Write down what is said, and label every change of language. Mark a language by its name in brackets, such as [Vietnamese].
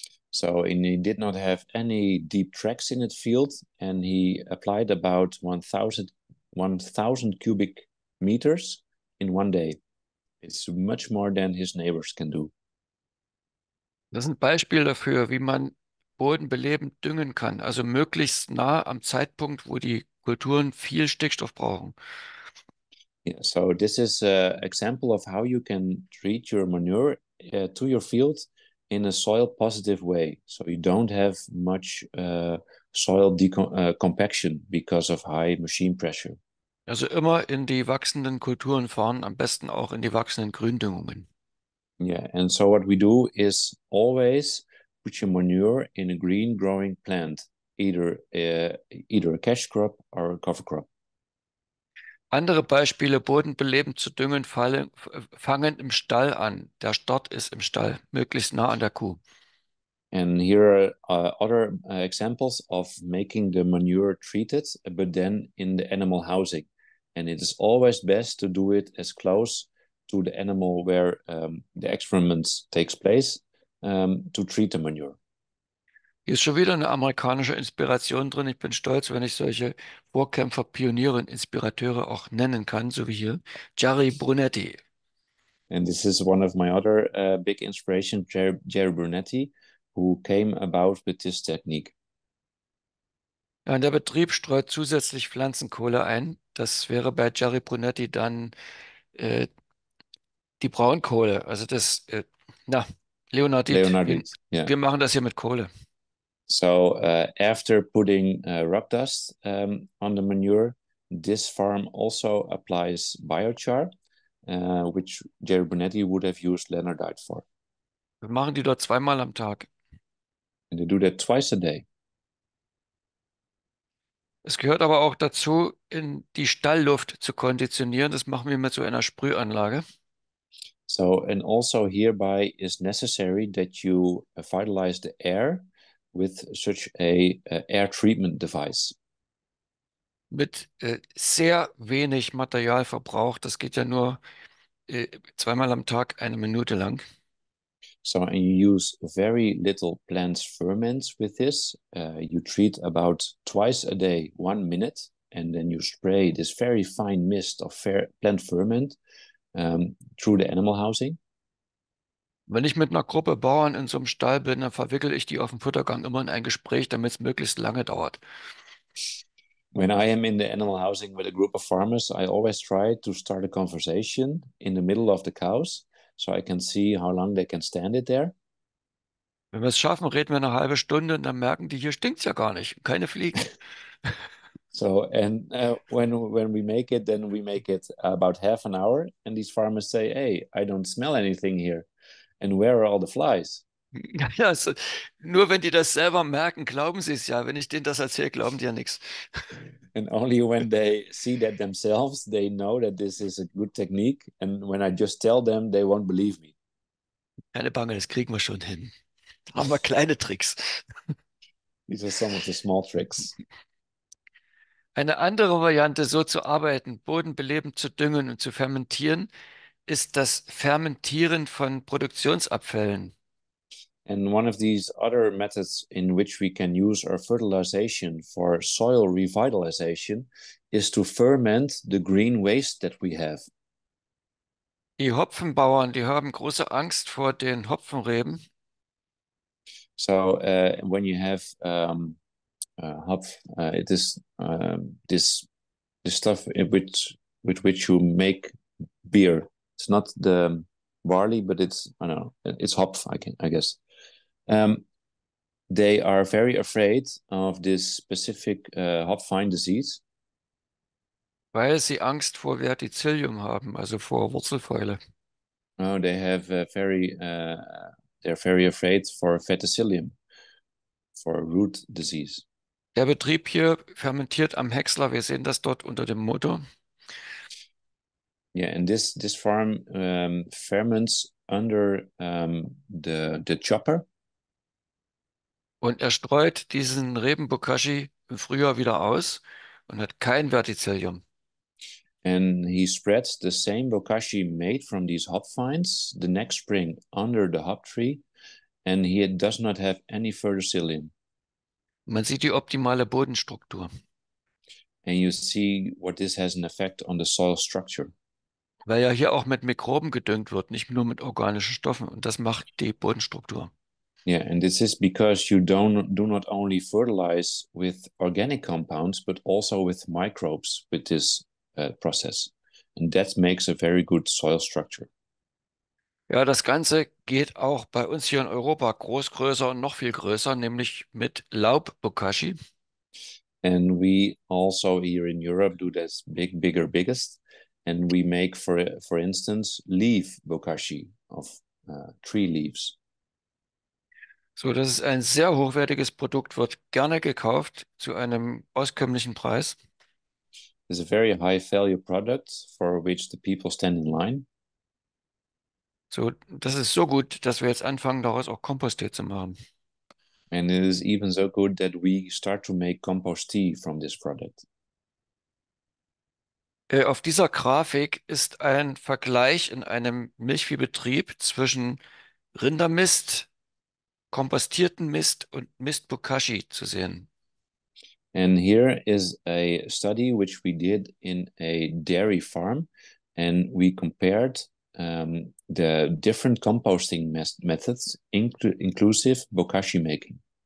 [English] So he did not have any deep tracks in its field and he applied about 1,000 cubic meters in one day. It's much more than his neighbors can do. [German] Das ist ein Beispiel dafür, wie man Boden belebend düngen kann, also möglichst nah am Zeitpunkt, wo die Kulturen viel Stickstoff brauchen. [English] Yeah, so this is an example of how you can treat your manure to your field in a soil-positive way, so you don't have much soil compaction because of high machine pressure. [German] Also immer in die wachsenden Kulturen fahren, am besten auch in die wachsenden Gründüngungen. [English] Yeah, and so what we do is always put your manure in a green-growing plant, either a cash crop or a cover crop. [German] Andere Beispiele, bodenbelebend zu düngen, fangen im Stall an. Der Start ist im Stall, möglichst nah an der Kuh. [English] And here are other examples of making the manure treated, but then in the animal housing. And it is always best to do it as close to the animal where the experiments takes place to treat the manure. [German] Hier ist schon wieder eine amerikanische Inspiration drin. Ich bin stolz, wenn ich solche Vorkämpfer, Pioniere und Inspirateure auch nennen kann, so wie hier Jerry Brunetti. [English] And this is one of my other big inspirations, Jerry Brunetti, who came about with this technique. [German] Ja, und der Betrieb streut zusätzlich Pflanzenkohle ein, Das wäre bei Jerry Brunetti dann die Braunkohle. Also das, na, Leonardit, [English] Leonardit, yeah. [German] Wir machen das hier mit Kohle. [English] So after putting rock dust on the manure, this farm also applies biochar, which Jerry Brunetti would have used Leonardite for. [German] Wir machen die dort zweimal am Tag. [English] And they do that twice a day. [German] Es gehört aber auch dazu, in die Stallluft zu konditionieren. Das machen wir mit so einer Sprühanlage. [English] So, and also hereby is necessary that you vitalize the air with such a air treatment device. [German] Mit sehr wenig Materialverbrauch. Das geht ja nur zweimal am Tag eine Minute lang. [English] So, and you use very little plant ferments with this. You treat about twice a day, 1 minute, and then you spray this very fine mist of plant ferment through the animal housing. [German] Wenn ich mit einer Gruppe Bauern in so einem Stall bin, dann verwickel ich die auf dem Futtergang immer in ein Gespräch, damit es möglichst lange dauert. [English] When I am in the animal housing with a group of farmers, I always try to start a conversation in the middle of the cows, so I can see how long they can stand it there. [German] Wenn wir es schaffen, reden wir eine halbe Stunde und dann merken die, hier stinkt es ja gar nicht. Keine Fliegen. [English] So, and when we make it, then we make it about half an hour. And these farmers say, hey, I don't smell anything here. And where are all the flies? [German] Ja, so, nur wenn die das selber merken, glauben sie es ja. Wenn ich denen das erzähle, glauben die ja nichts. [English] And only when they see that themselves, they know that this is a good technique. And when I just tell them, they won't believe me. [German] Keine Bange, das kriegen wir schon hin. Da haben wir kleine Tricks. [English] These are some of the small tricks. [German] Eine andere Variante, so zu arbeiten, bodenbelebend zu düngen und zu fermentieren, ist das Fermentieren von Produktionsabfällen. [English] And one of these other methods in which we can use our fertilization for soil revitalization is to ferment the green waste that we have. [German] Die Hopfenbauern, die haben große Angst vor den Hopfenreben. [English] So when you have hopf, it is this stuff with which you make beer. It's not the barley, but it's, I don't know, it's hopf, I guess. They are very afraid of this specific hopfine disease. [German] Weil sie Angst vor Verticillium haben, also vor Wurzelfäule. [English] Oh, they have they're very afraid for verticillium, for root disease. [German] Der Betrieb hier fermentiert am Häcksler. Wir sehen das dort unter dem Motor. [English] Yeah, and this farm ferments under the chopper. [German] Und er streut diesen Rebenbokashi im Frühjahr wieder aus und hat kein Verticillium. [English] And he spreads the same bokashi made from these hop vines the next spring under the hop tree, and he does not have any verticillium. [German] Man sieht die optimale Bodenstruktur. [English] And you see what this has an effect on the soil structure. [German] Weil ja hier auch mit Mikroben gedüngt wird, nicht nur mit organischen Stoffen, und das macht die Bodenstruktur. [English] Yeah, and this is because you do not only fertilize with organic compounds, but also with microbes with this process. And that makes a very good soil structure. [German] Ja, das Ganze geht auch bei uns hier in Europa groß größer und noch viel größer, nämlich mit Laubbokashi. [English] And we also here in Europe do this biggest. And we make, for instance, leaf bokashi of tree leaves. [German] So, das ist ein sehr hochwertiges Produkt, wird gerne gekauft zu einem auskömmlichen Preis. [English] It's a very high value product for which the people stand in line. [German] So, das ist so gut, dass wir jetzt anfangen, daraus auch Kompost zu machen. [English] And it is even so good that we start to make compost tea from this product. [German] Auf dieser Grafik ist ein Vergleich in einem Milchviehbetrieb zwischen Rindermist, kompostierten Mist und Mist Bokashi zu sehen. [English] And here is a study which we did in a dairy farm, and we compared the different composting methods, inclusive Bokashi making.